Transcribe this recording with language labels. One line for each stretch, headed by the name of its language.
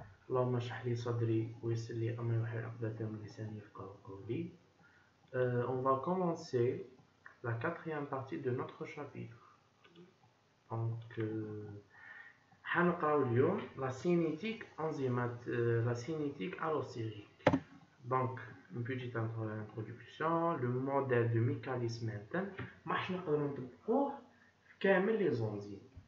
Arabic: اللهم اشرح لي صدري ويسر لي امري واحلل عقدة من لساني يفقهوا قولي.
French: On va commencer la quatrième partie de notre chapitre. Donc,
Arabic: حنقراو اليوم
French: la cinétique enzymate, la cinétique allosérique. Donc, une petite introduction, le modèle de Michaelis Menten.
Arabic: Ma حنقدروا نطبقوه في كامل لي زونزيم.